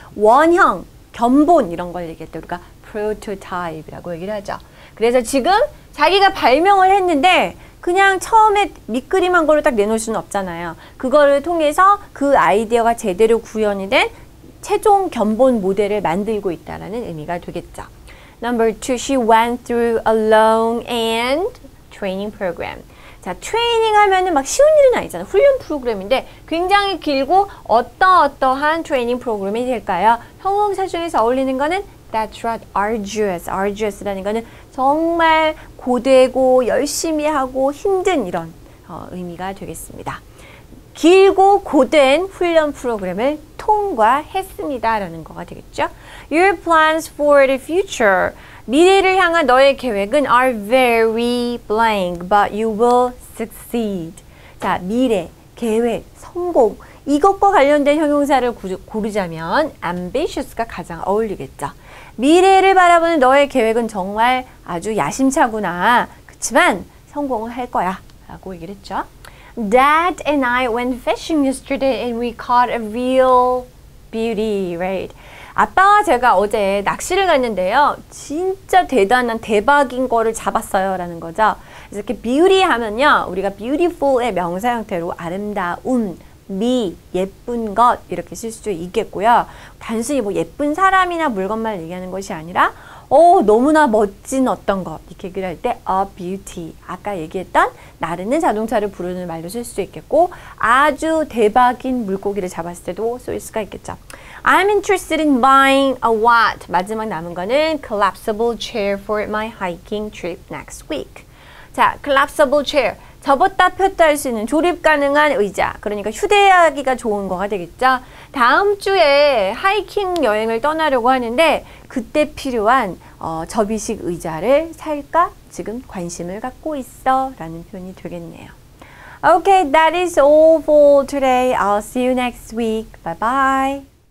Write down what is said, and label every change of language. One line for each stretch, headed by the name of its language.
Korean: 원형, 견본 이런 걸 얘기했다. 우리가 prototype이라고 얘기를 하죠. 그래서 지금 자기가 발명을 했는데 그냥 처음에 밑그림한 걸로 딱 내놓을 수는 없잖아요. 그거를 통해서 그 아이디어가 제대로 구현이 된 최종 견본 모델을 만들고 있다는 의미가 되겠죠.
English: Number two, she went through a long and training program.
Korean: 자, 트레이닝 하면은 막 쉬운 일은 아니잖아요. 훈련 프로그램인데 굉장히 길고 어떠어떠한 트레이닝 프로그램이 될까요? 형용사 중에서 어울리는 거는
English: That's right, arduous.
Korean: Arduous라는 거는 정말 고되고 열심히 하고 힘든 이런 의미가 되겠습니다. 길고 고된 훈련 프로그램을 통과했습니다. 라는 거가 되겠죠.
English: Your plans for the future.
Korean: 미래를 향한 너의 계획은
English: are very blank, but you will succeed.
Korean: 자, 미래, 계획, 성공. 이것과 관련된 형용사를 고르자면 ambitious가 가장 어울리겠죠. 미래를 바라보는 너의 계획은 정말 아주 야심차구나. 그렇지만 성공을 할 거야 라고 얘기를 했죠.
English: Dad and I went fishing yesterday and we caught a real beauty, right?
Korean: 아빠와 제가 어제 낚시를 갔는데요. 진짜 대단한 대박인 거를 잡았어요 라는 거죠. 이렇게 beauty 하면요. 우리가 beautiful의 명사 형태로 아름다운 미, 예쁜 것 이렇게 쓸 수도 있겠고요. 단순히 뭐 예쁜 사람이나 물건만 얘기하는 것이 아니라 너무나 멋진 어떤 것 이렇게 얘기를 할 때 a beauty, 아까 얘기했던 나르는 자동차를 부르는 말로 쓸 수도 있겠고 아주 대박인 물고기를 잡았을 때도 쓸 수가 있겠죠.
English: I'm interested in buying a what?
Korean: 마지막 남은 거는
English: collapsible chair for my hiking trip next week. 자, collapsible chair.
Korean: 접었다 폈다 할 수 있는 조립 가능한 의자. 그러니까 휴대하기가 좋은 거가 되겠죠. 다음 주에 하이킹 여행을 떠나려고 하는데 그때 필요한 접이식 의자를 살까 지금 관심을 갖고 있어 라는 표현이 되겠네요.
English: Okay, that is all for today. I'll see you next week. Bye bye.